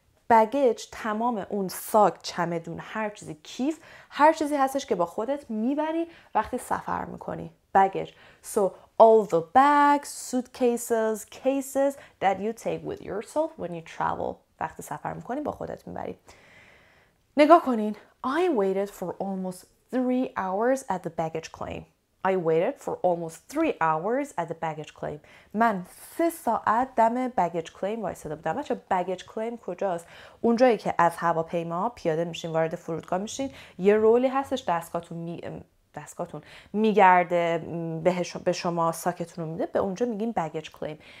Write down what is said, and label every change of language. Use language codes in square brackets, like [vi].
[fa] Baggage تمام اون ساک، چمدون، هر چیزی، کیف، هر چیزی هستش که با خودت میبری وقتی سفر میکنی. [en] Baggage. So all the bags, suitcases, cases that you take with yourself when you travel. [fa] وقتی سفر میکنی با خودت میبری. نگاه کنین. [en] I waited for almost 3 hours at the baggage claim. I waited for almost 3 hours at the baggage claim. [fa] من 3 ساعت دم baggage claim وایساده بودم. بچه baggage claim کجاست؟ اونجایی که از هواپیما پیاده میشین، وارد فرودگاه میشین، یه رولی هستش دستگاهتون میگرده به شما ساکتون رو میده، به اونجا میگیم baggage claim.